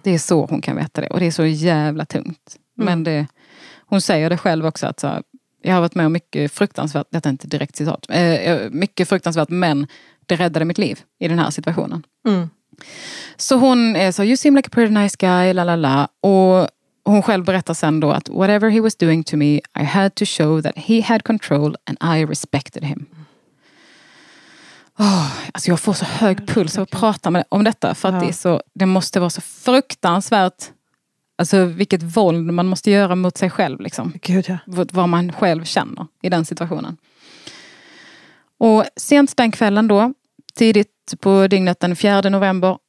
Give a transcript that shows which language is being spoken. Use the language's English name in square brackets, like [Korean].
[Swedish] Det är så hon kan veta det. Och det är så jävla tungt. Mm. Men det, hon säger det själv också. Att så här, jag har varit med om mycket fruktansvärt. Detta är inte direkt citat. Mycket fruktansvärt, men det räddade mitt liv. I den här situationen. Mm. Så hon är så, [English] you seem like a pretty nice guy. Lalala. [Swedish] Och hon själv berättar sen då att [English] whatever he was doing to me, I had to show that he had control and I respected him. [Swedish] Oh, alltså jag får så hög puls av att prata med om detta. För att ja. det måste vara så fruktansvärt. Alltså vilket våld man måste göra mot sig själv. Liksom. Gud, ja. Vad man själv känner i den situationen. Och sent den kvällen då, tidigt på dygnet den 4 november.